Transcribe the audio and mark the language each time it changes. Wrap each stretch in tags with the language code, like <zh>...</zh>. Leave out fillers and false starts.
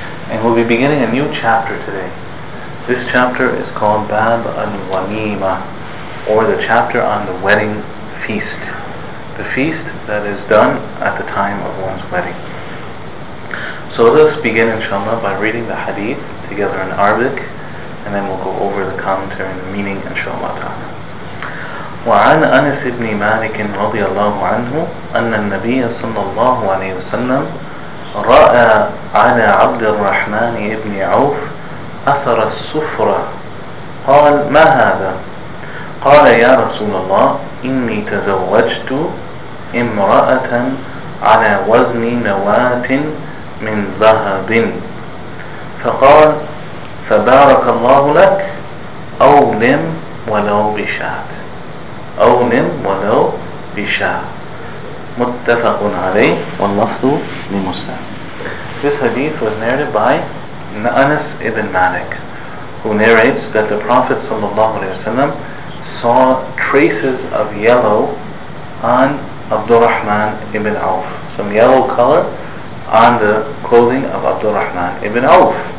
<en>And we'll be beginning a new chapter today. This chapter is called Bab al-Wanima, or the chapter on the wedding feast. The feast that is done at the time of one's wedding. So let us begin, inshallah, by reading the hadith together in Arabic, and then we'll go over the commentary and the meaning, inshallah ta'ala.</en> <ar>وعن أنس بن مالك رضي الله عنه أن النبي صلى الله عليه وسلم رأى على عبد الرحمن بن عوف أثر السفرة. قال ما هذا؟ قال يا رسول الله إني تزوجت امرأة على وزن نواة من ذهب. فقال فبارك الله لك أو نم ولو بشات أو نم ولو بشات. متفق عليه واللفظ لمسلم.</ar> <en>This hadith was narrated by Anas ibn Malik, who narrates that the Prophet</en> <ar>صلى الله عليه وسلم</ar> <en>saw traces of yellow on Abdurrahman ibn Auf, some yellow color on the clothing of Abdurrahman ibn Auf.</en>